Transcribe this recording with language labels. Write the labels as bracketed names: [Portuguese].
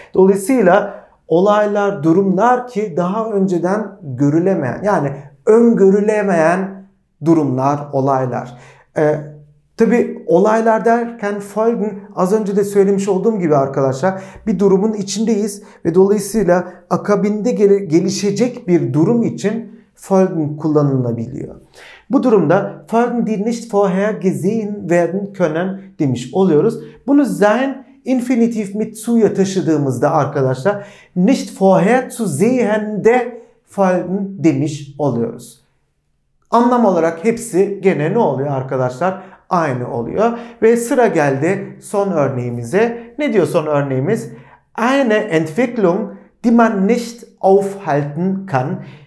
[Turkish] Dolayısıyla olaylar, durumlar ki daha önceden görülemeyen, yani öngörülemeyen durumlar, olaylar. Tabii olaylar derken Folgen, az önce de söylemiş olduğum gibi arkadaşlar, bir durumun içindeyiz ve dolayısıyla akabinde gelişecek bir durum için Folgen kullanılabiliyor. Bu durumda [German] Folgen, die nicht vorher gesehen werden können [Turkish] demiş oluyoruz. Bunu sein infinitiv mit zu'ya taşıdığımızda arkadaşlar, [German] nicht vorher zu sehen de Folgen [Turkish] demiş oluyoruz. Anlam olarak hepsi gene ne oluyor arkadaşlar? Aynı oluyor. Ve sıra geldi son örneğimize. Ne diyor son örneğimiz? [German] Eine Entwicklung, die man nicht aufhalten kann.